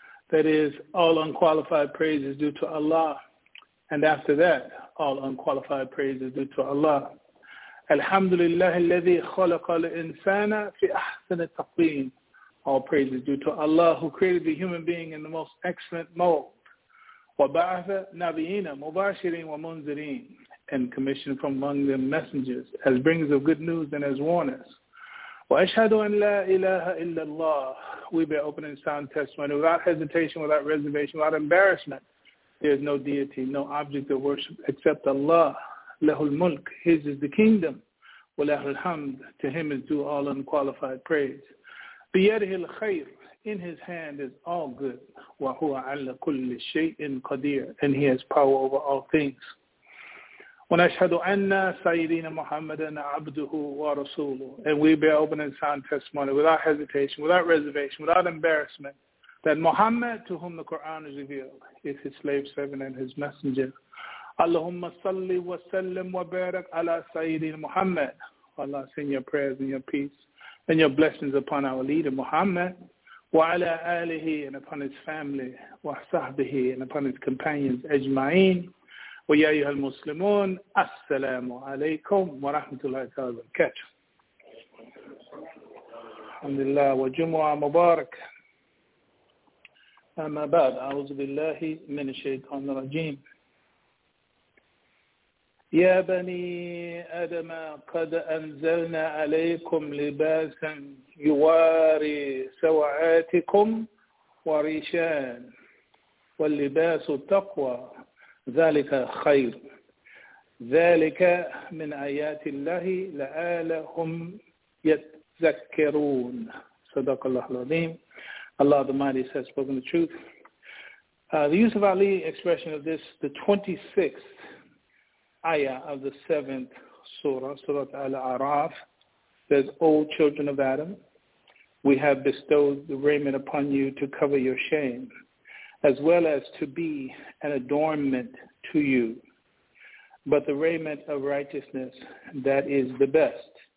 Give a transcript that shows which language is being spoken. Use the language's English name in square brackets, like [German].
[English] That is, all unqualified praise is due to Allah. And after that, all unqualified praise is due to Allah. [Arabic] الحمد لله الذي خلق الإنسان في أحسن التقويم. [English] All praise is due to Allah who created the human being in the most excellent mold. [Arabic] وبعث نبيين مباشرين ومنذرين. [English] And commissioned from among them messengers as bringers of good news and as warners. [Arabic] وَأَشْهَدُ أَنْ لَا إِلَهَ إِلَّا اللَّهِ. [English] We bear open and sound testimony without hesitation, without reservation, without embarrassment. There is no deity, no object of worship except Allah. [Arabic] لَهُ الْمُلْكِ. [English] His is the kingdom. [Arabic] وَلَهُ الْحَمْدِ. [English] To him is due all unqualified praise. [Arabic] بِيَدِهِ الْخَيْرِ. [English] In his hand is all good. [Arabic] وَهُوَ عَلَّ كُلِّ شَيْءٍ قَدِيرٍ. [English] And he has power over all things. [Arabic] وَنَشْهَدُ أَنَّ سَيِّدِينَ مُحَمَّدًا عَبْدُهُ وَرَسُولُهُ. [English] And we bear open and sound testimony without hesitation, without reservation, without embarrassment, that Muhammad, to whom the Quran is revealed, is his slave servant and his messenger. [Arabic] اللهم صل وسلم وبارك على سيدنا محمد. [English] Allah, send your prayers and your peace and your blessings upon our leader Muhammad, [Arabic] وعلى آله, [English] and upon his family, [Arabic] وصحبه, [English] and upon his companions, [Arabic] أجمعين. ويا أيها المسلمون السلام عليكم ورحمة الله تعالى وبركاته. الحمد لله وجمعة مبارك. أما بعد, أعوذ بالله من الشيطان الرجيم. يا بني آدم قد أنزلنا عليكم لباسا يواري سوآتكم وريشا واللباس التقوى. ذلك خير ذلك من آيات الله لعلهم يتذكرون. صدق الله العظيم. [English] Allah the Mighty has spoken the truth. The Yusuf Ali expression of this, the 26th ayah of the 7th surah, Surah Al-A'raf, says, O children of Adam, we have bestowed the raiment upon you to cover your shame, as well as to be an adornment to you, but the raiment of righteousness that is the best.